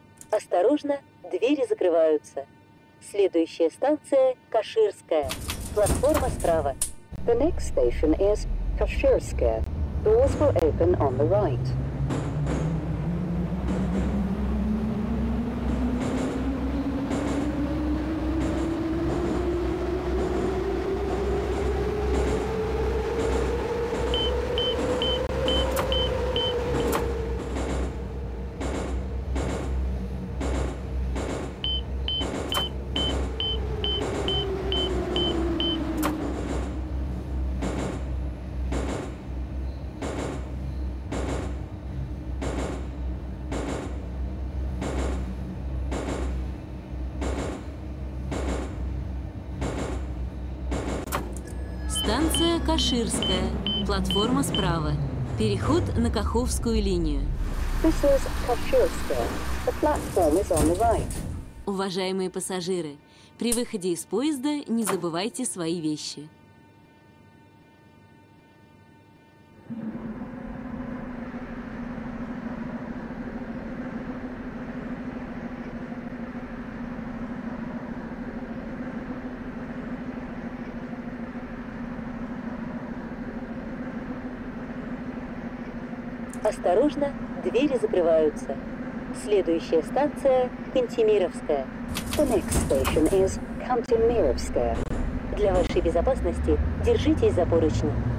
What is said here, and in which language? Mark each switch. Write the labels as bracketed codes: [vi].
[ru] Осторожно, двери закрываются. Следующая станция Каширская. Платформа справа. [en] The next station is Каширская. Doors will open on the right. [ru] Станция Каширская. Платформа справа. Переход на Каховскую линию. [en] This is Каширская. The platform is on the right. [ru] Уважаемые пассажиры, при выходе из поезда не забывайте свои вещи. Осторожно, двери закрываются. Следующая станция – Кантемировская. [en] The next station is Кантемировская. [ru] Для вашей безопасности держитесь за поручни.